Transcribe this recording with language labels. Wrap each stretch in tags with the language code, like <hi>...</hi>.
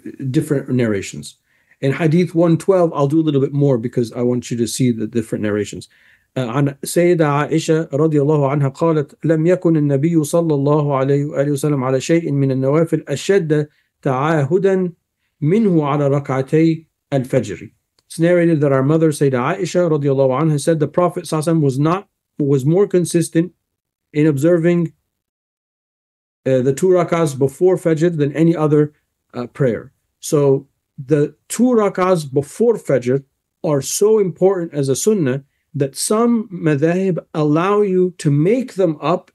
<en>Different narrations. In Hadith 112, I'll do a little bit more because I want you to see the different narrations.</en> <ar>عن سيدة عائشة رضي الله عنها قالت لم يكن النبي صلى الله عليه وآله وسلم على شيء من النوافل أشد تعاهدا منه على ركعتي الفجر.</ar> <en>It's narrated that our mother سيدة عائشة</en> <ar>رضي الله عنها</ar> <en>said the Prophet</en> <ar>صلى الله عليه وسلم</ar> <en>was more consistent in observing the two rakahs before Fajr than any other prayer. So the two rakahs before Fajr are so important as a sunnah that some madhahib allow you to make them up.</en>